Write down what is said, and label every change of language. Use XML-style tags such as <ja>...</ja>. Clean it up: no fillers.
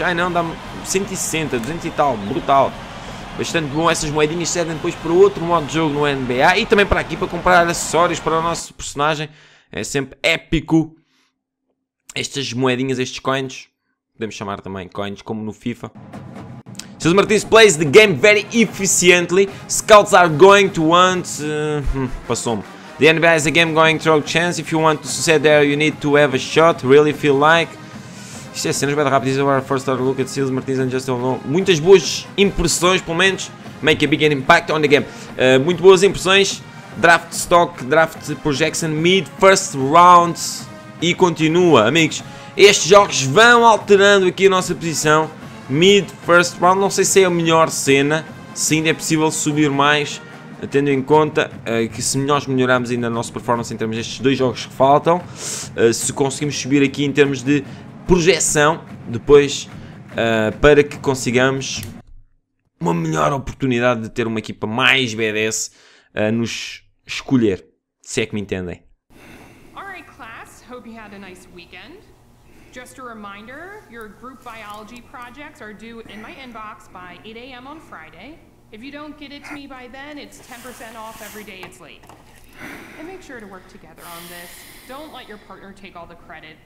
<pt>Ai não, dá-me 160, 200 e tal, brutal. Bastante bom, essas moedinhas servem depois para outro modo de jogo no NBA e também para aqui, para comprar acessórios para o nosso personagem. É sempre épico. Estas moedinhas, estes coins, podemos chamar também coins, como no FIFA.</pt> <en>Silas Martins plays the game very efficiently. Scouts are going to want...</en> <pt>passou-me.</pt> <en>The NBA is a game going through a chance. If you want to succeed there, you need to have a shot. Really feel like...</en> <pt>Isto é assim, nos vai dar rápido.</pt> <en>This is our first look at Silas Martins and Justin Long.</en> <pt>Muitas boas impressões, pelo menos.</pt> <en>Make a big impact on the game.</en> <pt>Muito boas impressões.</pt> <en>Draft stock, draft projection, mid, first round.</en> <pt>E continua, amigos. Estes jogos vão alterando aqui a nossa posição.</pt> <en>Mid, first round,</en> <pt>não sei se é a melhor cena. Se ainda é possível subir mais, tendo em conta que se nós melhorarmos ainda a nossa performance em termos destes dois jogos que faltam, se conseguimos subir aqui em termos de projeção, depois para que consigamos uma melhor oportunidade de ter uma equipa mais BDS a nos escolher, se é que me entendem.</pt> <en>Alright, class, hope you had a nice weekend. Just a reminder, your group biology projects are due in my inbox by 8 a.m. on Friday. If you don't get it to me by then, it's 10% off every day it's late. And make sure to work together on this. Don't let your partner take all the credit.</en>